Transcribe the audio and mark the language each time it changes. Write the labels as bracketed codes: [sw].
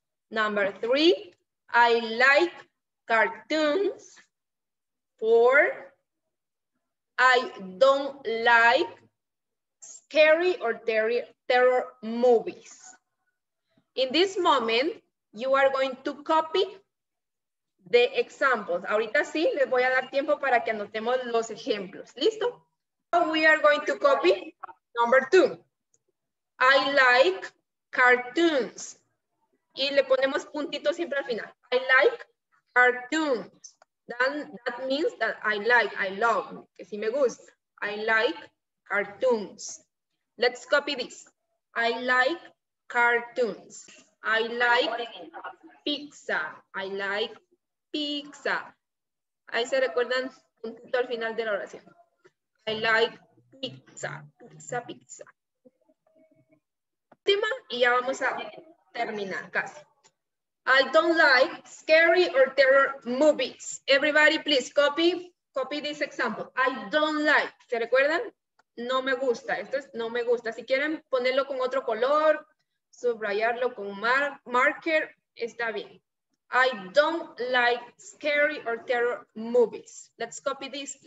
[en] Number three, I like cartoons. Four, I don't like scary or terror movies. In this moment, you are going to copy the examples. [es] Ahorita sí, les voy a dar tiempo para que anotemos los ejemplos. [en] ¿Listo? We are going to copy number two. I like cartoons. [es] Y le ponemos puntito siempre al final. [en] I like cartoons. That means that I love, [es] que sí me gusta. [en] I like cartoons. Let's copy this. I like cartoons. I like pizza. I like pizza. [es] Ahí se recuerdan un punto al final de la oración. [en] I like pizza. Pizza, pizza. [es] Última y ya vamos a terminar casi. [en] I don't like scary or terror movies. Everybody, please copy this example. I don't like. [es] ¿Se recuerdan? No me gusta, esto es no me gusta. Si quieren ponerlo con otro color, subrayarlo con marker, está bien. [en] I don't like scary or terror movies. Let's copy this, please.